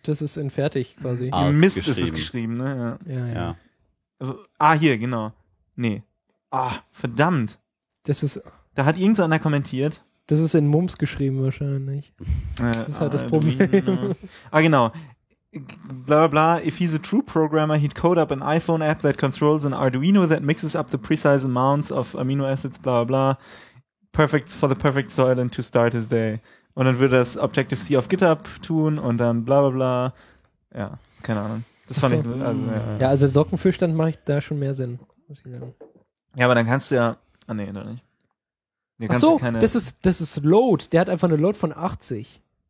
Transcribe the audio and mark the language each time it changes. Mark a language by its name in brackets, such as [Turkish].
[German] Das ist in fertig quasi. In Mist ist es geschrieben, ne? Ja, ja. Also, hier, genau. Nee. Ah, oh, verdammt. Das ist. Da hat irgendeiner kommentiert. Das ist in Mums geschrieben wahrscheinlich. Das ist halt das Problem. Ah, genau. Bla bla bla. [English] If he's a true programmer, he'd code up an iPhone app that controls an Arduino that mixes up the precise amounts of amino acids, bla bla bla. Perfect for the perfect soil and to start his day. [German] Und dann würde das Objective-C auf GitHub tun und dann bla bla bla. Ja, keine Ahnung. Das fand ich. Also Sockenfüllstand mache ich da schon mehr Sinn, muss ich sagen. Ja, aber dann kannst du ja. Ah, nee, doch nicht. Achso, das ist Load. Der hat einfach eine Load von 80.